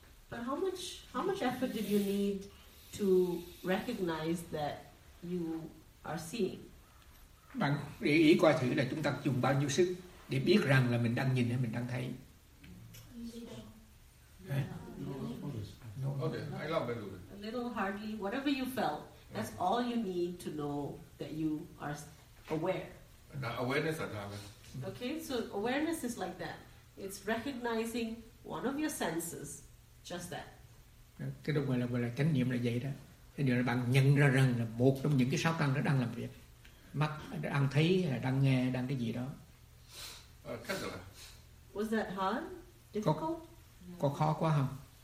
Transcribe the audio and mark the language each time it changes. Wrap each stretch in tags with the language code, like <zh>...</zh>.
<en>But how much effort did you need to recognize that you are seeing?</en> <vi>Bạn để ý coi thử là chúng ta dùng bao nhiêu sức để biết rằng là mình đang nhìn hay mình đang thấy.</vi> <en>Okay, I love it. A little, hardly, whatever you felt, that's all you need to know that you are aware. Awareness at that. Okay, so awareness is like that. It's recognizing one of your senses, just that.</en> <vi>Cái đó gọi là chánh niệm là vậy đó. Cái điều là bạn nhận ra rằng là một trong những cái sáu căn nó đang làm việc. Mắt đang thấy, đang nghe, đang cái gì đó.</vi> <en>Was that hard? Difficult?</en> <vi>Có khó quá không?</vi>